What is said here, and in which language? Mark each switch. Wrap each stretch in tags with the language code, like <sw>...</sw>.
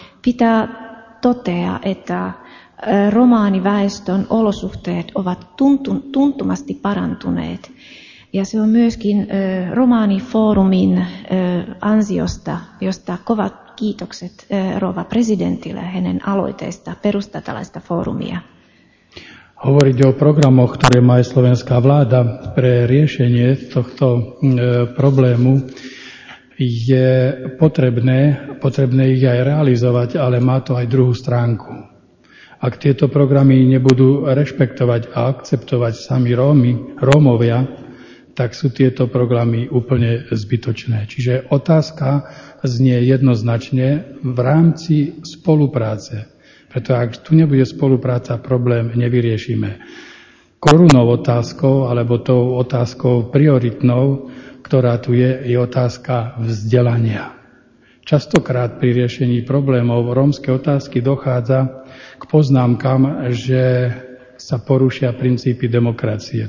<fi>Pitää totea, että romaaniväestön olosuhteet ovat tuntumasti parantuneet. Ja se on myöskin romaanifoorumin ansiosta, josta kovat kiitokset rouva presidentille hänen aloiteista perustaa tällaista foorumia.</fi> <sk>Hovoriť o programoch, ktoré má aj slovenská vláda pre riešenie tohto problému, je potrebné ich aj realizovať, ale má to aj druhú stránku. Ak tieto programy nebudú rešpektovať a akceptovať sami Rómovia, tak sú tieto programy úplne zbytočné. Čiže otázka znie jednoznačne v rámci spolupráce. Preto ak tu nebude spolupráca, problém nevyriešime. Korunou otázkou, alebo tou otázkou prioritnou, ktorá tu je otázka vzdelania. Častokrát pri riešení problémov rómske otázky dochádza k poznámkam, že sa porušia princípy demokracie.</sk>